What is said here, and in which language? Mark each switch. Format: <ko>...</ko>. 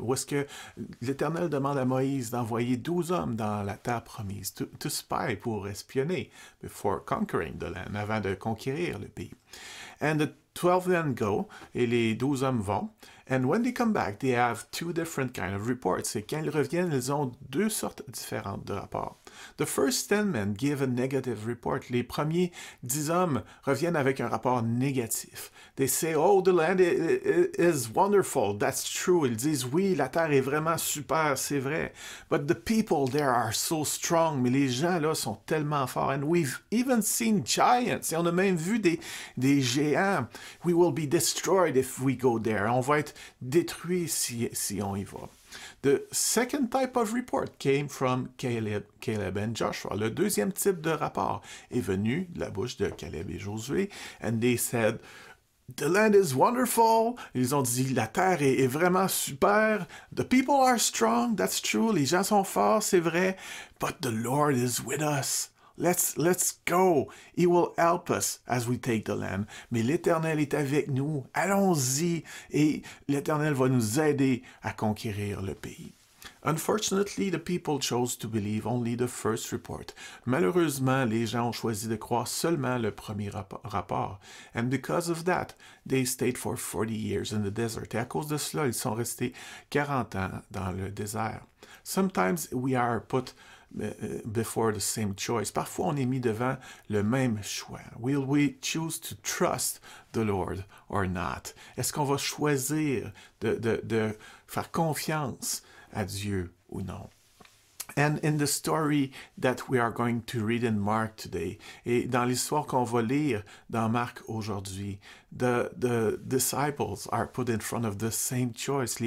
<fr>Où est-ce que l'Éternel demande à Moïse d'envoyer 12 hommes dans la terre promise</fr> <en>to spy,</en> <fr>pour espionner,</fr> <en>before conquering the land,</en> <fr>avant de conquérir le pays.</fr> <en>And the 12 men go,</en> <fr>et les 12 hommes vont.</fr> <en>And when they come back, they have two different kind of reports.</en> <fr>Et quand ils reviennent, ils ont deux sortes différentes de rapports.</fr> <en>The first 10 men give a negative report.</en> <fr>Les premiers 10 hommes reviennent avec un rapport négatif.</fr> <en>They say, oh, the land is wonderful. That's true.</en> <fr>Ils disent, oui, la terre est vraiment super. C'est vrai.</fr> <en>But the people there are so strong.</en> <fr>Mais les gens là sont tellement forts.</fr> <en>And we've even seen giants.</en> <fr>Et on a même vu des géants.</fr> <en>We will be destroyed if we go there.</en> <fr>On va être détruit si on y va.</fr> <en>The second type of report came from Caleb and Joshua.</en> <fr>Le deuxième type de rapport est venu de la bouche de Caleb et Josué.</fr> <en>And they said, the land is wonderful.</en> <fr>Ils ont dit, la terre est vraiment super.</fr> <en>The people are strong. That's true.</en> <fr>Les gens sont forts, c'est vrai.</fr> <en>But the Lord is with us. Let's go. He will help us as we take the land.</en> <fr>Mais l'Éternel est avec nous. Allons-y. Et l'Éternel va nous aider à conquérir le pays.</fr> <en>Unfortunately, the people chose to believe only the first report.</en> <fr>Malheureusement, les gens ont choisi de croire seulement le premier rapport.</fr> <en>And because of that, they stayed for 40 years in the desert.</en> <fr>Et à cause de cela, ils sont restés 40 ans dans le désert.</fr> <en>Sometimes we are put before the same choice.</en> <fr>Parfois, on est mis devant le même choix.</fr> <en>Will we choose to trust the Lord or not?</en> <fr>Est-ce qu'on va choisir de faire confiance à Dieu ou non?</fr> <en>And in the story that we are going to read in Mark today,</en> <fr>et dans l'histoire qu'on va lire dans Marc aujourd'hui,</fr> <en>the disciples are put in front of the same choice.</en>